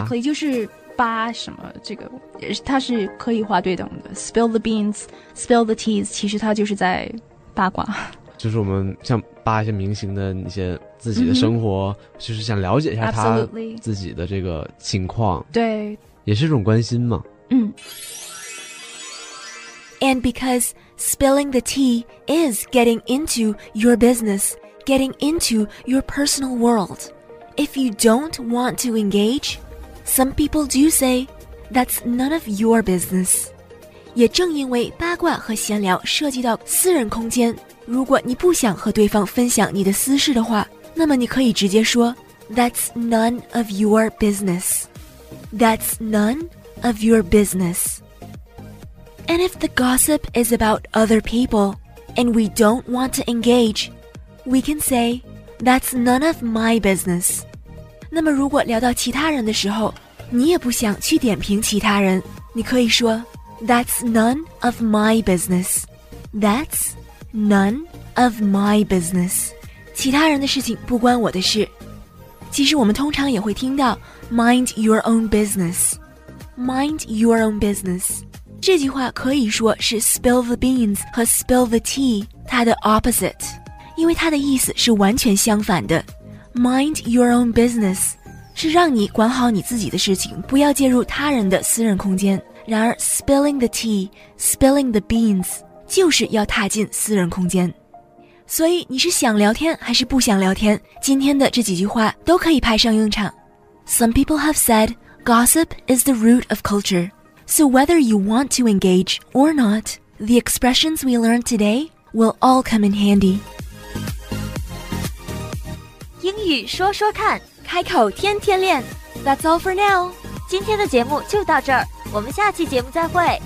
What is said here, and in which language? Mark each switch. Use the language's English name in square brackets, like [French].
[Chinese] exactly, 就是扒什么，这个也是它是可以划对等的。 [English] spill the beans, spill the teas, [Chinese] 其实它就是在八卦，就是我们像扒一些明星的一些自己的生活、就是想了解一下他自己的这个情况。对，也是一种关心嘛。 [English] And because spilling the tea is getting into your business, getting into your personal world. If you don't want to engage, some people do say, that's none of your business. [Chinese] 也正因为八卦和闲聊涉及到私人空间，如果你不想和对方分享你的私事的话，那么你可以直接说 [English] That's none of your business. That's none of your business. And if the gossip is about other people and we don't want to engage, we can say That's none of my business. [Chinese] 那么如果聊到其他人的时候，你也不想去点评其他人，你可以说 [English] That's none of my business. That's none of my business. [Chinese] 其他人的事情不关我的事。其实我们通常也会听到 [English] Mind your own business. Mind your own business. [Chinese] 这句话可以说是 [English] Spill the beans [Chinese] 和 [English] Spill the tea [Chinese] 它的 opposite， 因为它的意思是完全相反的。 [English] Mind your own business [Chinese] 是让你管好你自己的事情，不要介入他人的私人空间。然而 [English] spilling the tea, spilling the beans [Chinese] 就是要踏进私人空间。所以你是想聊天还是不想聊天，今天的这几句话都可以派上用场。 [English] Some people have said gossip is the root of culture, so whether you want to engage or not, the expressions we learned today will all come in handy. [Chinese] 英语说说看，开口天天练。 [English] That's all for now. [Chinese] 今天的节目就到这儿，我们下期节目再会。